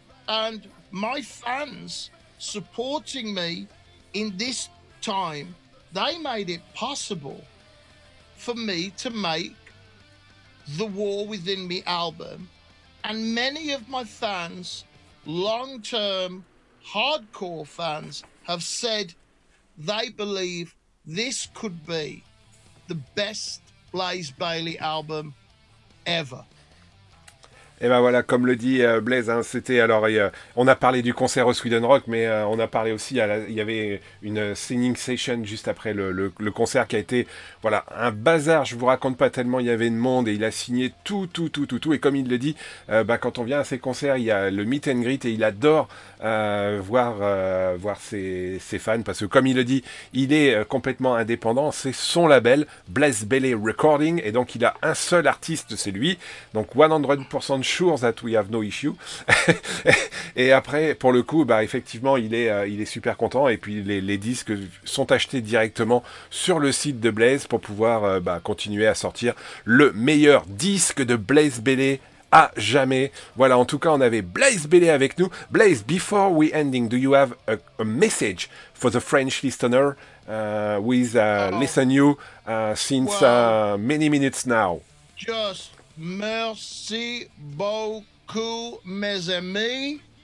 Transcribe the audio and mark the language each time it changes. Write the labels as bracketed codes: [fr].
[en] And my fans supporting me in this time, they made it possible for me to make the War Within Me album. And many of my fans, long-term, hardcore fans, have said they believe this could be the best Blaise Bayley album ever. [fr] Et ben voilà, comme le dit Blaise, hein, c'était alors, on a parlé du concert au Sweden Rock, mais on a parlé aussi, il y avait une singing session juste après le concert qui a été, voilà, un bazar, je vous raconte pas tellement, il y avait de monde et il a signé tout, et comme il le dit, ben, quand on vient à ses concerts, il y a le meet and greet et il adore voir ses fans, parce que comme il le dit, il est complètement indépendant, c'est son label, Blaise Bayley Recording, et donc il a un seul artiste, c'est lui, donc [en] 100% sure that we have no issue. [fr] Et après, pour le coup, bah, effectivement, il est super content. Et puis, les disques sont achetés directement sur le site de Blaise pour pouvoir continuer à sortir le meilleur disque de Blaise Bayley à jamais. Voilà, en tout cas, on avait Blaise Bayley avec nous. [en] Blaise, before we ending, do you have a message for the French listener with listen you since many minutes now? Just [fr] merci beaucoup, mes amis.